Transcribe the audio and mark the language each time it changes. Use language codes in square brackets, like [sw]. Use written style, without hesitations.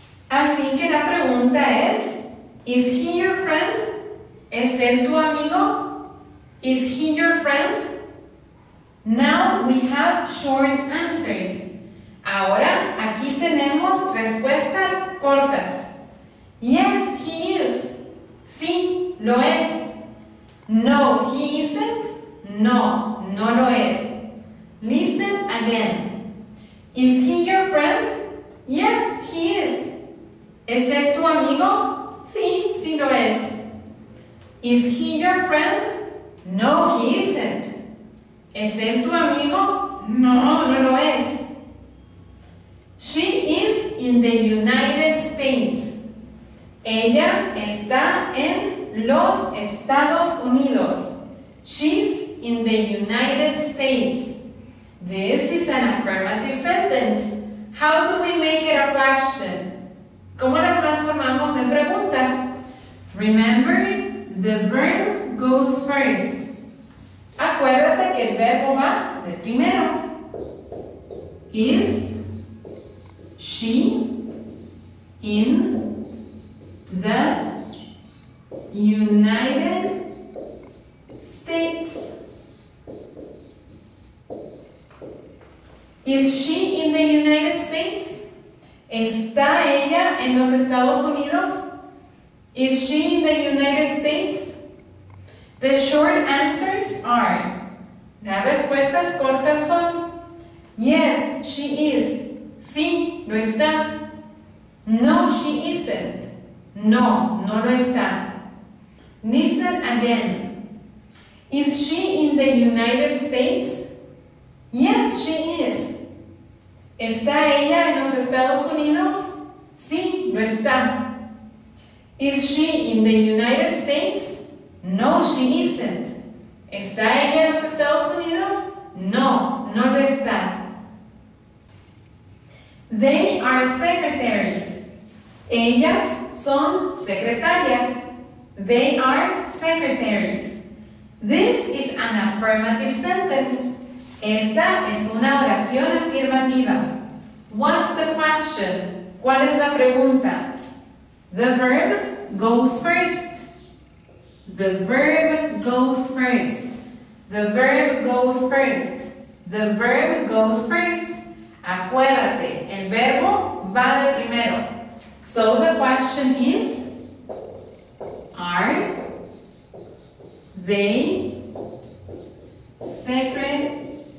[es] Así que la pregunta es, [en] is he your friend? [es] ¿Es él tu amigo? [en] Is he your friend? Now we have short answers. [es] Ahora aquí tenemos respuestas cortas. [en] Yes, he is. [es] Sí, lo es. [en] No, he isn't. [es] No, no lo es. [en] Listen again. Is he your friend? Yes, he is. [es] ¿Es él tu amigo? Sí, sí lo es. [en] Is he your friend? No, he isn't. [es] ¿Es él tu amigo? No, no lo es. [en] She is in the United States. [es] Ella está en los Estados Unidos. [en] She's in the United States. This is an affirmative sentence. How do we make it a question? [es] ¿Cómo la transformamos en pregunta? [en] Remember, the verb goes first. [es] Acuérdate que el verbo va de primero. [en] Is she in the United States? Is she in the United States? [es] ¿Está ella en los Estados Unidos? [en] Is she in the United States? The short answers are. [es] Las respuestas cortas son. [en] Yes, she is. [es] Sí, lo está. [en] No, she isn't. [es] No, no lo está. [en] Listen again. Is she in the United States? Yes, she is. [es] ¿Está ella en los Estados Unidos? Sí, lo está. [en] Is she in the United States? No, she isn't. [es] ¿Está ella en los Estados Unidos? No, no lo está. [en] They are secretaries. [es] Ellas son secretarias. [en] They are secretaries. This is an affirmative sentence. [es] Esta es una oración afirmativa. [en] What's the question? [es] ¿Cuál es la pregunta? [en] The verb goes first. The verb goes first. The verb goes first. The verb goes first. [es] Acuérdate, el verbo va de primero. [en] So the question is, are they secretaries?